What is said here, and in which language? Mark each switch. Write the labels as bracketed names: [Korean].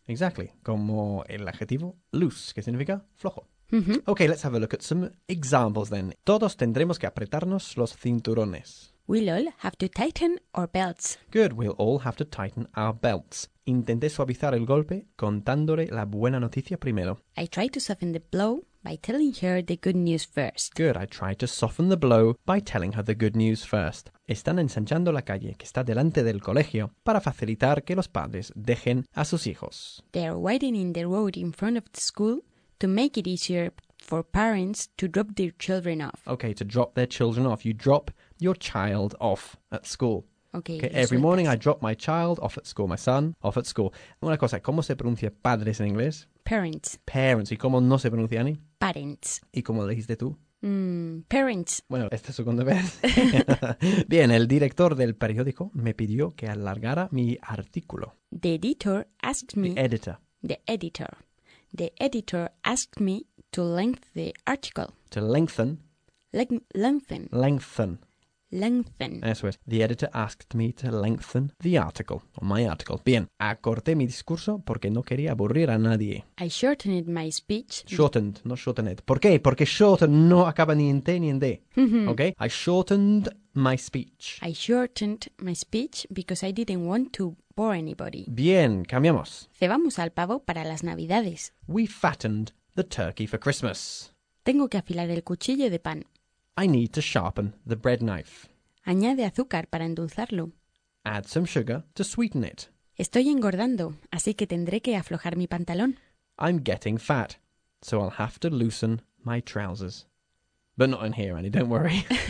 [English] Exactly, [Spanish] como el adjetivo loose, que significa flojo. Mm-hmm. [English] Okay, let's have a look at some examples then. [Spanish] Todos tendremos que apretarnos los cinturones. [English] We'll all have to tighten our belts. Good, we'll all have to tighten our belts. [Spanish] Intenté suavizar el golpe contándole la buena noticia primero. [English] I tried to soften the blow by telling her the good news first. Good, I tried to soften the blow by telling her the good news first. [Spanish] Están ensanchando la calle que está delante del colegio para facilitar que los padres dejen a sus hijos. [English] They're widening the road in front of the school to make it easier for parents to drop their children off. Okay, to drop their children off. You drop your child off at school. Okay. Okay, every morning I drop my child off at school, my son, off at school. [Spanish] Una cosa, ¿cómo se pronuncia padres en inglés? [English] Parents. [Spanish] Parents. ¿Y cómo no se pronuncia ni? [English] Parents. [Spanish] ¿Y cómo lo dijiste tú? [English] Parents. [Spanish] Bueno, esta es la segunda vez. Bien, el director del periódico me pidió que alargara mi artículo. [English] The editor asked me... The editor. The editor. The editor asked me to lengthen the article. To lengthen. Lengthen. Lengthen. Lengthen. [Spanish] Eso es. [English] The editor asked me to lengthen the article, or my article. [Spanish] Bien. Acorté mi discurso porque no quería aburrir a nadie. [English] I shortened my speech. Shortened, not shortened. [Spanish] ¿Por qué? Porque shorten no acaba ni en T ni en D. [English] Okay? I shortened my speech. I shortened my speech because I didn't want to bore anybody. [Spanish] Bien, cambiamos. Cebamos al pavo para las Navidades. [English] We fattened the turkey for Christmas. [Spanish] Tengo que afilar el cuchillo de pan. [English] I need to sharpen the bread knife. [Spanish] Añade azúcar para endulzarlo. [English] Add some sugar to sweeten it. [Spanish] Estoy engordando, así que tendré que aflojar mi pantalón. [English] I'm getting fat, so I'll have to loosen my trousers. But not in here, Annie, don't worry.